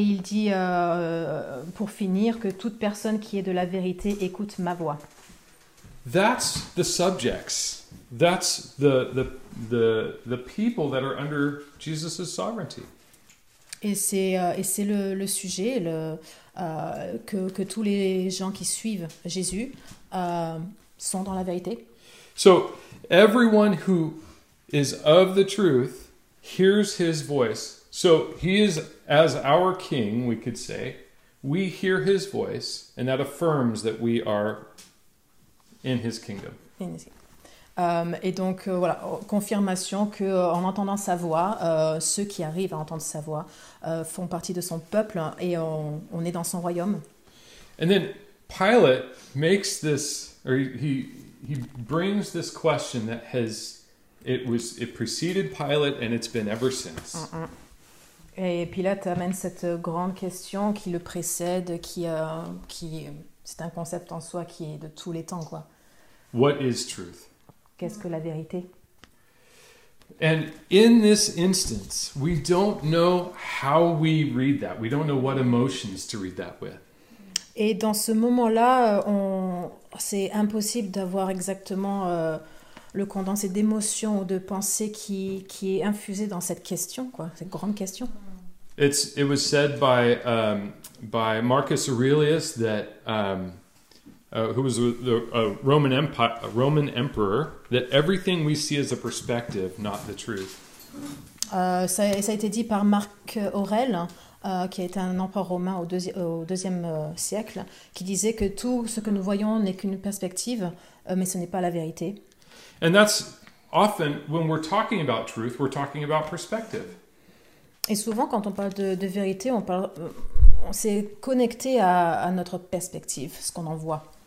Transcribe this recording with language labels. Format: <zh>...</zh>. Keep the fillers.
<fr>il dit uh, pour finir que toute personne qui est de la vérité écoute ma voix.</fr> <en>That's the subjects. That's the, the, the, the people that are under Jesus's sovereignty.</en> <fr>Et c'est, uh, et c'est le, le, sujet le, uh, que, que, tous les gens qui suivent Jésus sont dans la vérité.</fr> <en>So everyone who is of the truth hears his voice. So he is as our king, we could say. We hear his voice, and that affirms that we are in his kingdom. In his kingdom.</en> <fr>et donc, voilà, confirmation qu'en en entendant sa voix, ceux qui arrivent à entendre sa voix font partie de son peuple et on est dans son royaume.</fr> <en>And then Pilate makes this, or he, he brings this question that has it was it preceded Pilate and it's been ever since. Mm -mm.</en> <fr>Et Pilate amène cette grande question qui precedes précède, qui euh, qui concept in soi qui est de tous les temps quoi.</fr> <en>What is truth?</en> <fr>Qu'est-ce que</fr> <en>And in this instance, we don't know how we read that. We don't know what emotions to read that with. Mm -hmm. And in this moment-</en> <fr>là, on c'est impossible d'avoir exactement euh, le condensé d'émotions ou de pensées qui, qui est infusé dans cette question, quoi, cette grande question.</fr> <en>It's, it was said by, um, by Marcus Aurelius that um, uh, who was the Roman Empire, a Roman emperor that everything we see is a perspective, not the truth.</en> <fr>Uh, ça, ça a été dit par Marc Aurel. Uh, qui a été un empereur romain au, IIe deuxi deuxième euh, siècle, qui disait que tout ce que nous voyons n'est qu'une perspective, euh, mais ce n'est pas la vérité.</fr> <en>And that's often when we're about truth, we're about</en> <fr>Et souvent, quand on parle de, de vérité, on parle, on euh, s'est connecté à, à, notre perspective, ce qu'on en voit.</fr>